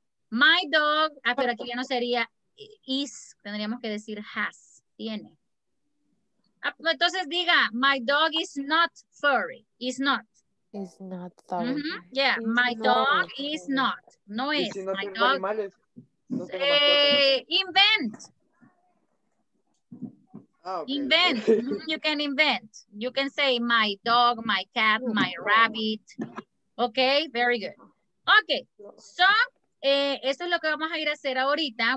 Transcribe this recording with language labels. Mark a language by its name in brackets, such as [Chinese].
[English] My dog, [Spanish] pero aquí ya no sería is, tendríamos que decir has, tiene. Entonces diga, [English] my dog is not furry, is not. Is not furry. Mm-hmm. Yeah, it's my dog furry. Is not, [Spanish] no es. Si no, [English] my dog, [Spanish] animales, no [English] say, invent. Ah, okay. Invent, you can invent. You can say my dog, my cat, my rabbit. Okay, very good. Okay, so... [Spanish] eso es lo que vamos a ir a hacer ahorita.